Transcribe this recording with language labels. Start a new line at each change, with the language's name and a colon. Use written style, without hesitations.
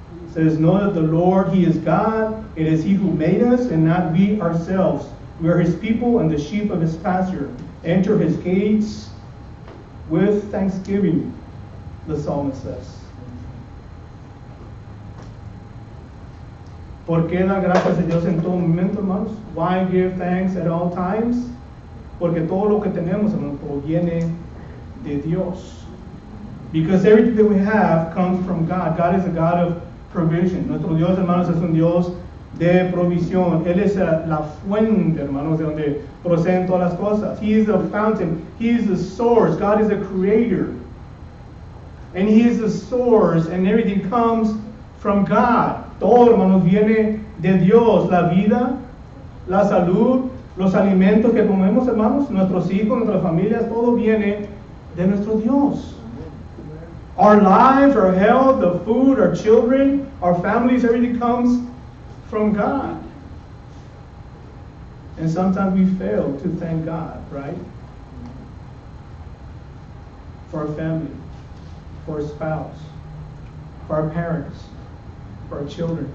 English: It says, know that the Lord, He is God. It is He who made us, and not we ourselves. We are His people and the sheep of His pasture. Enter His gates with thanksgiving, the psalmist says.
Spanish: ¿Por qué dar gracias a Dios en todo momento, hermanos?
English: Why give thanks at all times?
Spanish: Porque todo lo que tenemos, hermanos, proviene de Dios.
English: Because everything that we have comes from God. God is a God of provision.
Spanish: Nuestro Dios, hermanos, es un Dios de provisión. Él es la fuente, hermanos, de donde proceden todas las cosas.
English: He is the fountain. He is the source. God is the creator. And he is the source, and everything comes from God.
Spanish: Todo, hermanos, viene de Dios. La vida, la salud, los alimentos que comemos, hermanos, nuestros hijos, nuestras familias, todo viene de nuestro Dios.
English: Our lives, our health, the food, our children, our families, everything comes from God. And sometimes we fail to thank God, right? For our family, for our spouse, for our parents, for our children.